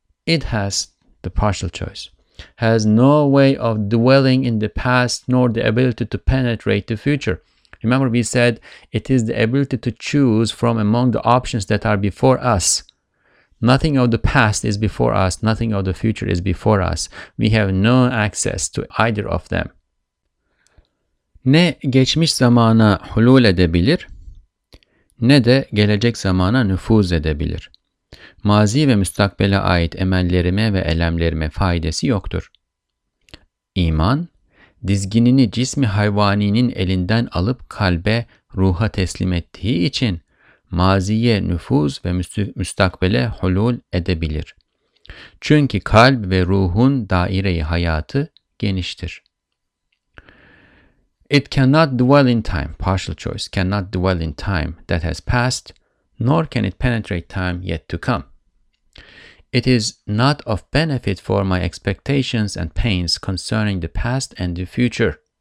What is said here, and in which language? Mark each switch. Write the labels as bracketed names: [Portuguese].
[English] It has the partial choice, has no way of dwelling in the past nor the ability to penetrate the future. Remember, we said it is the ability to choose from among the options that are before us. Nothing of the past is before us, nothing of the future is before us. We have no access to either of them. [Turkish] Ne geçmiş zamana hulul edebilir, ne de gelecek zamana nüfuz edebilir. Mazi ve müstakbele ait emellerime ve elemlerime faydası yoktur. İman, dizginini cismi hayvaninin elinden alıp kalbe, ruha teslim ettiği için maziye nüfuz ve müstakbele hulul edebilir. Çünkü kalp ve ruhun daire-i hayatı geniştir. [English] It cannot dwell in time, partial choice, cannot dwell in time that has passed, nor can it penetrate time yet to come. It is not of benefit for my expectations and pains concerning the past and the future.